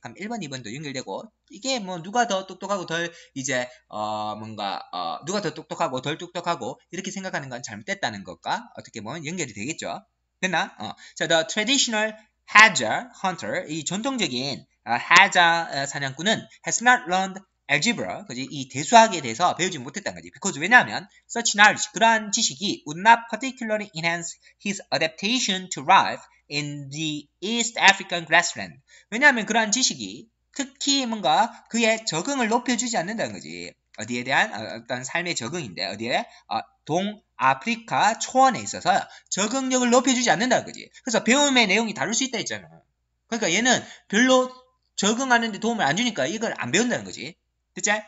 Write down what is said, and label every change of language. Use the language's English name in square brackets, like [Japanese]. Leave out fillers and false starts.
[Korean] 그럼 1번, 2번도 연결되고 이게 뭐 누가 더 똑똑하고 덜 이제 뭔가 누가 더 똑똑하고 덜 똑똑하고 이렇게 생각하는 건 잘못됐다는 것과 어떻게 보면 연결이 되겠죠. 됐나? 자, [English] the traditional hazard hunter, [Korean] 이 전통적인 hazard 사냥꾼은 [English] has not learned algebra, [Korean] 그지? 이 대수학에 대해서 배우지 못했다는 거지. [English] Because [Korean] 왜냐하면 [English] such knowledge, [Korean] 그러한 지식이 [English] would not particularly enhance his adaptation to life in the East African grassland. [Korean] 왜냐하면 그러한 지식이 특히 뭔가 그의 적응을 높여주지 않는다는 거지. 어디에 대한 어떤 삶의 적응인데 어디에 동아프리카 초원에 있어서 적응력을 높여주지 않는다는 거지. 그래서 배움의 내용이 다를 수 있다 했잖아. 그러니까 얘는 별로 적응하는 데 도움을 안 주니까 이걸 안 배운다는 거지. 됐지?